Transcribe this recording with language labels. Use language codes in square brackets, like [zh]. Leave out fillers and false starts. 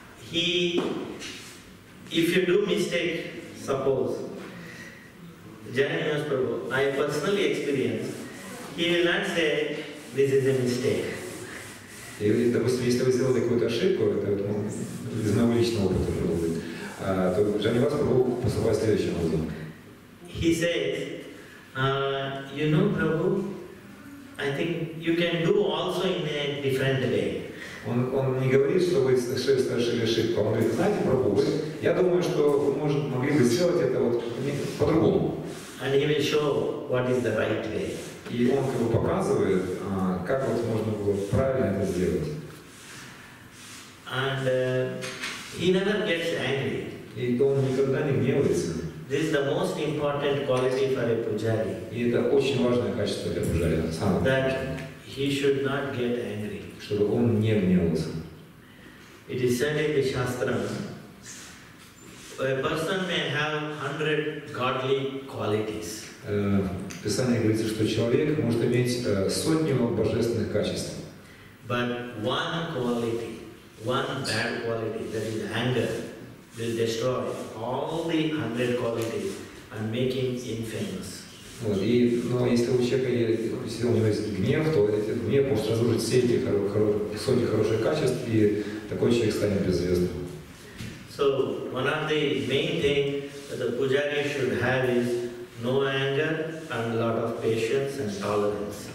[en] He, if you do mistake, suppose, Jahanivas Prabhu, I personally experience, he will not say, this is a mistake. [ru] И, допустим, если вы сделали какую-то ошибку, это вот, ну, из моего личного опыта уже было, то Jahanivas Prabhu поступает следующим образом. [en] He says, you know, Prabhu, I think you can do also in a different way. [ru] Он не говорит, что вы совершили ошибку, он говорит, знаете, Прабху, я думаю, что вы могли бы сделать это вот по-другому. [en] And he will show what is the right way. [ru] И он как бы показывает, как вот можно было правильно это сделать. [en] And he never gets angry. [ru] И он никогда не гневается. [en] This is the most important quality for a pujari. [ru] И это очень важное качество для пуджари, самое важное. [en] He should not get angry. [ru] Чтобы он не гневался. [en] It is said in the Shastra, a person may have 100 godly qualities. [ru] Писание говорит, что человек может иметь сотню божественных качеств. [en] But one quality, one bad quality, that is anger, will destroy all the 100 qualities and make him infamous. [ru] Вот, и, но если у человека есть, если у него есть гнев, то этот гнев может разрушить все эти сотни хороших качеств, и такой человек станет безвестным. [en] So one of the main things that the pujari should have is no anger and a lot of patience and tolerance.